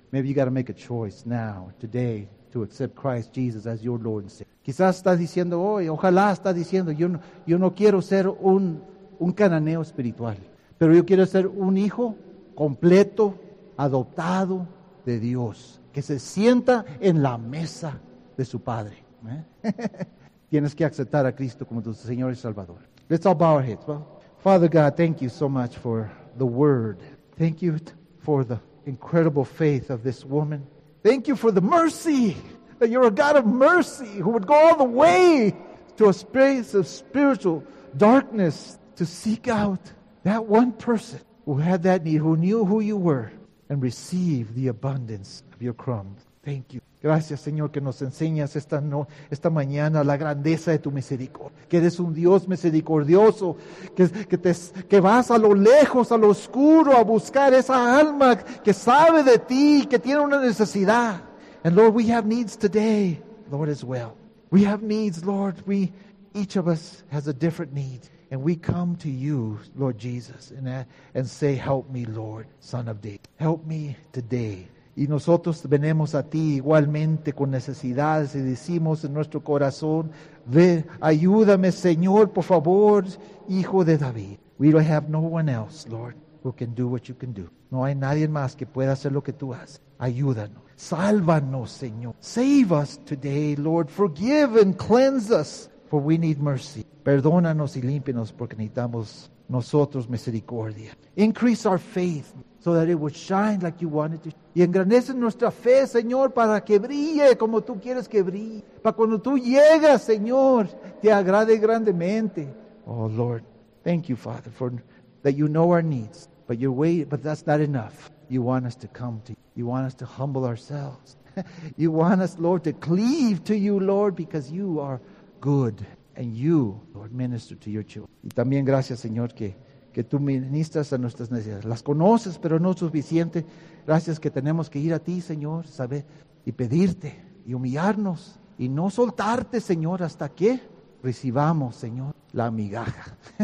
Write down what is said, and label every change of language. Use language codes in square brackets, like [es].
[en] Maybe you got to make a choice now, today, to accept Christ Jesus as your Lord and Savior. [es] Quizás estás diciendo hoy, ojalá estás diciendo, yo no quiero ser un cananeo espiritual, pero yo quiero ser un hijo completo, adoptado de Dios, que se sienta en la mesa de su padre. Tienes que aceptar a Cristo como tu Señor y Salvador. [en] Let's all bow our heads. Well, Father God, thank you so much for the word. Thank you for the incredible faith of this woman. Thank you for the mercy, that you're a God of mercy who would go all the way to a space of spiritual darkness to seek out that one person who had that need, who knew who you were, and receive the abundance of your crumbs. Thank you. [es] Gracias, Señor, que nos enseñas esta mañana la grandeza de tu misericordia. Que eres un Dios misericordioso, que vas a lo lejos, a lo oscuro, a buscar esa alma que sabe de ti, que tiene una necesidad. [en] And Lord, we have needs today, Lord, as well. We have needs, Lord. Each of us has a different need. And we come to you, Lord Jesus, and say, help me, Lord, Son of David. Help me today. [es] Y nosotros venimos a ti igualmente con necesidades y decimos en nuestro corazón, ve, ayúdame, Señor, por favor, Hijo de David. [en] We don't have no one else, Lord, who can do what you can do. [es] No hay nadie más que pueda hacer lo que tú haces. Ayúdanos. Sálvanos, Señor. [en] Save us today, Lord. Forgive and cleanse us, for we need mercy. [es] Perdónanos y límpianos, porque necesitamos nosotros misericordia. [en] Increase our faith, so that it would shine like you want it to. [es] Y engrandece nuestra fe, Señor, para que brille como tú quieres que brille. Para cuando tú llegas, Señor, te agrade grandemente. [en] Oh, Lord, Thank you, Father, for that you know our needs, but you're waiting, but that's not enough. You want us to come to you. You want us to humble ourselves. You want us, Lord, to cleave to you, Lord, because you are good. And you, Lord, minister to your children. [es] Y también gracias, Señor, que tú ministras a nuestras necesidades. Las conoces, pero no suficiente. Gracias que tenemos que ir a ti, Señor, saber y pedirte y humillarnos y no soltarte, Señor, hasta que recibamos, Señor, la migaja.